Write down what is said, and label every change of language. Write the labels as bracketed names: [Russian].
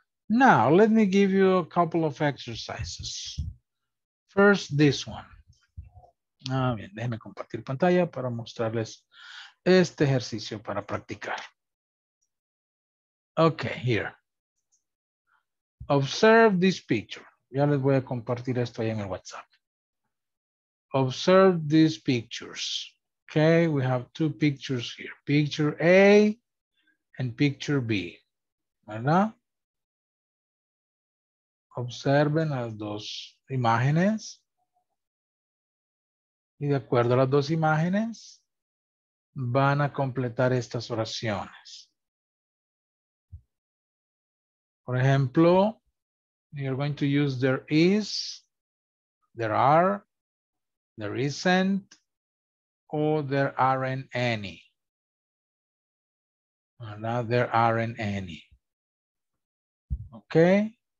[English] Now, let me give you a couple of exercises. First, this one. [Spanish] Ah, bien, déjenme compartir pantalla para mostrarles este ejercicio para practicar. [English] Okay, here. Observe this picture. [Spanish] Ya les voy a compartir esto ahí en el WhatsApp. [English] Observe these pictures. Okay, we have two pictures here. Picture A and picture B. ¿Verdad? [Spanish] Observen las dos imágenes. Y de acuerdo a las dos imágenes, van a completar estas oraciones. [English] For example, you're going to use there is, there are, there isn't, or there aren't any. Now there aren't any. Okay.